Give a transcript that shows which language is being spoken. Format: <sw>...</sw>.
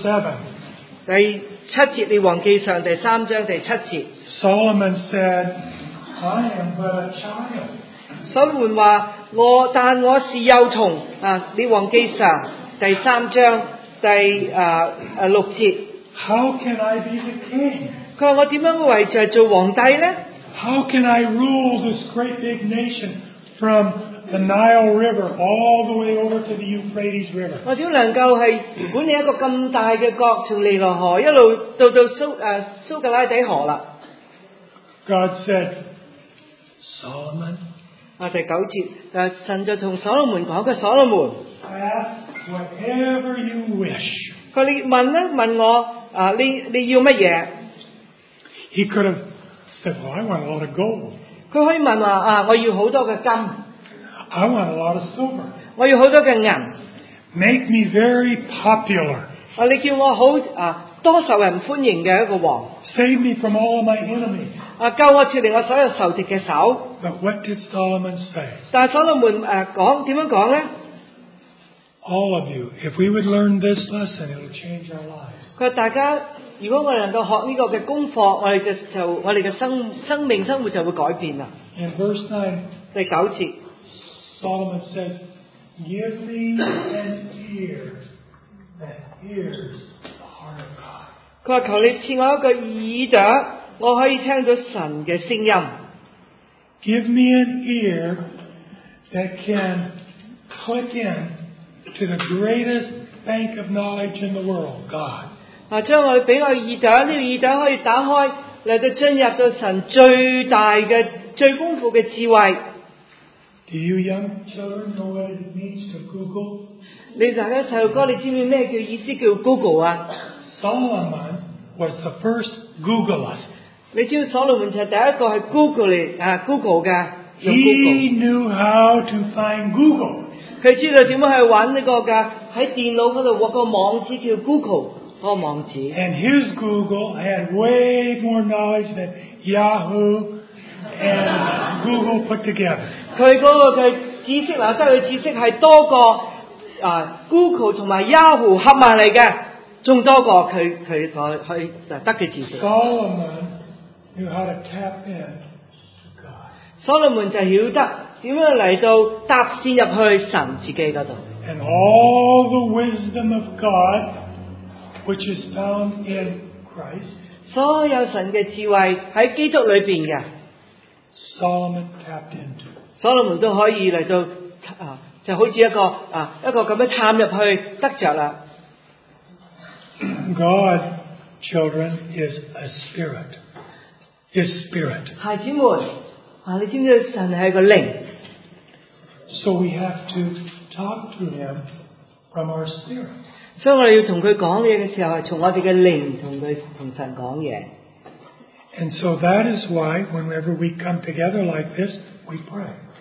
<yue>7，第七节，列王记上第三章第七节。</yue> <en>Solomon said, "I am but a child."</en> <yue>所罗门话我，但我是幼童啊。列王记上第三章第六节。</yue> <en>How can I be the king?</en> <yue>佢话我点样为就系做皇帝呢</yue> <en>？How can I rule this great big nation from? The Nile River, all the way over to the Euphrates River.</en> <yue>我点能够系管理一个咁大嘅国，从尼罗河一路到苏格拉底河啦</yue> <en>？God said, Solomon.</en> <yue>第九节，神就同所罗门讲：，所罗门</yue> <en>，Ask whatever you wish.</en> <yue>佢你问咧，问我你要乜嘢</yue> <en>？He could have said, Well, I want a lot of gold.</en> <yue>佢可以问话我要好多嘅金。</yue> <en>I want a lot of silver.</en> <yue>我要好多嘅银。</yue> <en>Make me very popular.</en> <yue>你叫我好多受人欢迎嘅一个王。</yue> <en>Save me from all of my enemies.</en> <yue>救我脱离我所有仇敌嘅手。</yue> <en>But what did Solomon say?</en> <yue>但所罗门讲点样讲咧</yue> <en>？All of you, if we would learn this lesson, it would change our lives.</en> <yue>佢大家如果我能够学呢个嘅功课，我哋嘅生命生活就会改变啦。</yue> <en>In verse 9.</en> <yue>第九节。</yue> <en>Solomon says, "Give me an ear that hears the heart of God."</en> <yue>佢话求你赐我一个耳朵，我可以听到神嘅声音。</yue> <en>Give me an ear that can click in to the greatest bank of knowledge in the world, God.</en> <yue>将我俾我耳朵，呢个耳朵可以打开嚟到进入到神最大嘅、最丰富嘅智慧。</yue> <en>Do you young children know what it means to Google?</en> <yue>你大家细路哥，你知唔知咩叫意思叫 Google 啊</yue> <en>？Solomon was the first Googler.</en> <yue>你知唔知所罗门就系第一个系 Google 嘅</yue> <en>？He knew how to find Google.</en> <yue>佢知道点样去揾呢个噶？喺电脑嗰度搵个网址叫 Google 嗰个网址。</yue> <en>And his Google had way more knowledge than Yahoo and Google put together.</en> <yue>佢嗰个嘅知识啊，得佢知识系多过Google 同埋 Yahoo 合埋嚟嘅，仲多过佢所得嘅知识。</yue> <en>Solomon knew how to tap in to God.</en> <yue>所罗门就晓得点样嚟到搭线入去神自己嗰度。</yue> <en>And all the wisdom of God, which is found in Christ.</en> <yue>所有神嘅智慧喺基督里边嘅。</yue> <en>Solomon tapped into.</en> <yue>所罗门都可以嚟到啊，就好似一个啊一个咁样探入去得着啦。</yue> <en>God, children, is a spirit. His spirit.</en> <yue>孩子们，啊，你知唔知神系个灵？</yue> <en>So we have to talk to him from our spirit.</en> <yue>所以我哋要同佢讲嘢嘅时候，系从我哋嘅灵同佢同神讲嘢。</yue> <en>And so that is why whenever we come together like this, we pray.</en>